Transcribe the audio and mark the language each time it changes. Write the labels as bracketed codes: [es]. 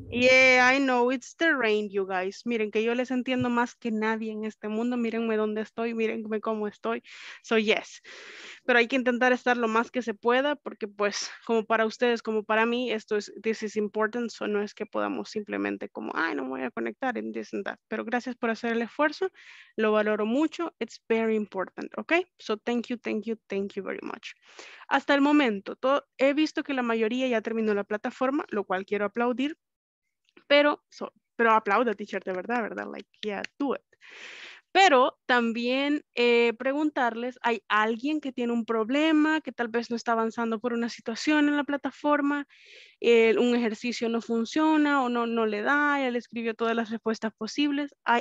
[en] Yeah, I know, it's the rain, you guys. [es] Miren que yo les entiendo más que nadie en este mundo. Mírenme dónde estoy, mírenme cómo estoy. [en] So, yes. [es] Pero hay que intentar estar lo más que se pueda porque, pues, como para ustedes, como para mí, esto es, [en] this is important. [es] So, no es que podamos simplemente como, ay, no me voy a conectar en [en] this and that. [es] Pero gracias por hacer el esfuerzo. Lo valoro mucho. [en] It's very important, okay? So, thank you, thank you, thank you very much. [es] Hasta el momento, todo, he visto que la mayoría ya terminó la plataforma, lo cual quiero aplaudir. Pero aplauda, teacher, de verdad, ¿verdad? [en] Like, yeah, do it. [es] pero también preguntarles, ¿hay alguien que tiene un problema, que tal vez no está avanzando por una situación en la plataforma, un ejercicio no funciona o no le da, ya le escribió todas las respuestas posibles?